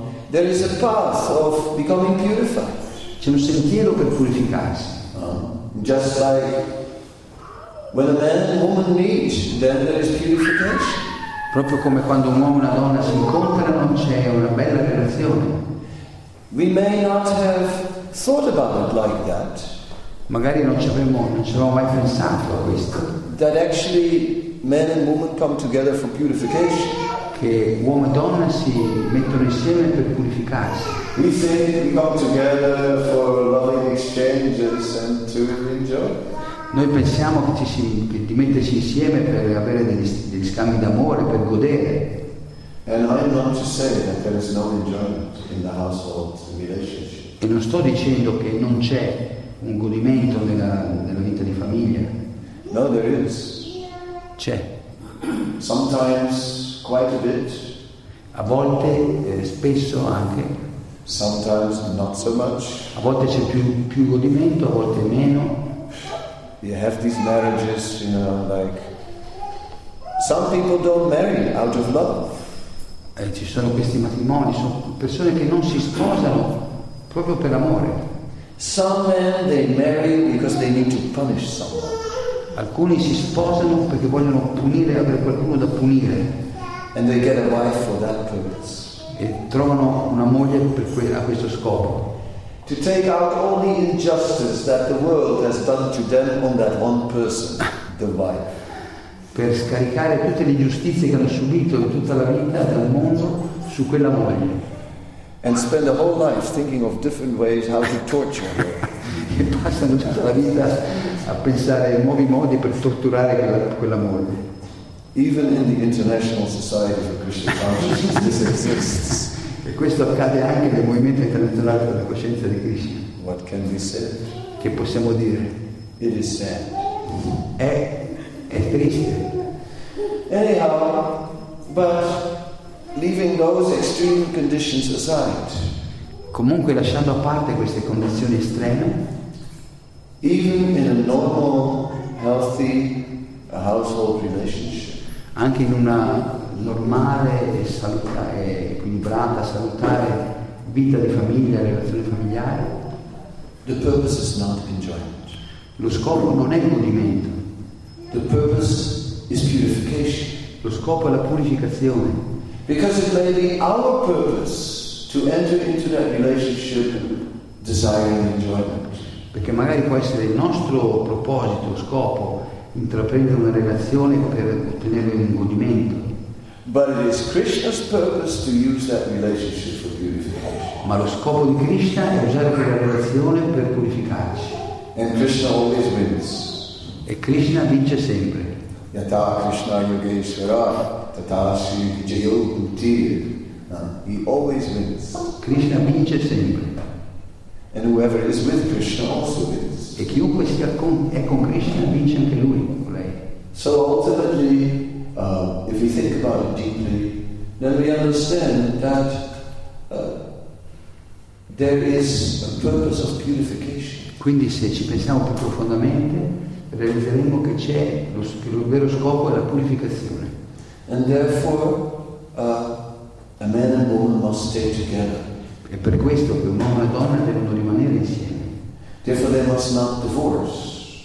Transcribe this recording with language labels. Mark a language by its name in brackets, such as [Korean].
[English] There is a path of becoming purified. [Italian] C'è un sentiero per purificarsi. [English] Just like when a man and a woman meet, then there is purification. [Italian] Proprio come quando un uomo e una donna si incontrano, c'è una bella relazione. [English] We may not have thought about it like that. [Italian] Magari non ci avevamo mai pensato a questo. [English] That actually men and women come together for purification. [Italian] Che uomo e donna si mettono insieme per purificarsi. [English] We say we come together for loving exchanges and to enjoy. [Italian] Noi pensiamo di metterci insieme per avere degli scambi d'amore, per godere. [English] And I'm not to say that there is no enjoyment in the household relationship. [Italian] E non sto dicendo che non c'è un godimento nella vita di famiglia. [English] No, there is. [Italian] C'è. [English] Sometimes quite a bit. [Italian] A volte, spesso anche. [English] Sometimes not so much. [Italian] A volte c'è più godimento, a volte meno. [English] You have these marriages, you know, like some people don't marry out of love. [Italian] E ci sono questi matrimoni, sono persone che non si sposano proprio per amore. [English] Some men they marry because they need to punish someone. [Italian] Alcuni si sposano perché vogliono punire, avere qualcuno da punire. [English] And they get a wife for that purpose. [Italian] E trovano una moglie a questo scopo. [English] To take out all the injustice that the world has done to them on that one person, the wife. [Italian] Per scaricare tutte le ingiustizie che hanno subito in tutta la vita del mondo su quella moglie. [English] And spend a whole life thinking of different ways how to torture her. [Italian] E passano tutta la vita a pensare in nuovi modi per torturare quella moglie. [English] Even in the International Society of Krishna Consciousness this exists. [Italian] E questo accade anche nel movimento internazionale della coscienza di Krishna. [English] What can we say? [Italian] Che possiamo dire? [English] It is sad. [Italian] È triste. [English] Anyhow, but leaving those extreme conditions aside. [Italian] Comunque lasciando a parte queste condizioni estreme, [English] even in a normal, healthy household relationship, [Italian] anche in una normale e salutare, equilibrata, salutare vita di famiglia, relazione familiare, [English] the purpose is not enjoyment. [Italian] Lo scopo non è il godimento. [English] The purpose is purification. [Italian] Lo scopo è la purificazione. [English] Because it may be our purpose to enter into that relationship desiring enjoyment. [Italian] Perché magari può essere il nostro proposito, scopo, intraprendere una relazione per ottenere un godimento. [English] But it is Krishna's purpose to use that relationship for purification. [Italian] Ma lo scopo di Krishna è usare quella relazione per purificarci. [English] And Krishna always wins. [Italian] E Krishna vince sempre. [Sanskrit] Yata Krishna Yogeshwara Tata Sri Vijayo Bhutir. [English] He always wins. [Italian] Krishna vince sempre. [English] And whoever is with Krishna also wins. [Italian] E chiunque sia è con Krishna vince anche lui, lei. [English] So ultimately, if we think about it deeply, then we understand that there is a purpose of purification. [Italian] Quindi se ci pensiamo più profondamente, realizzeremo che c'è che lo vero scopo è la purificazione. [English] And therefore, a man and woman must stay together. [Italian] È per questo che un uomo e una donna devono rimanere insieme. [English] Therefore they must not divorce.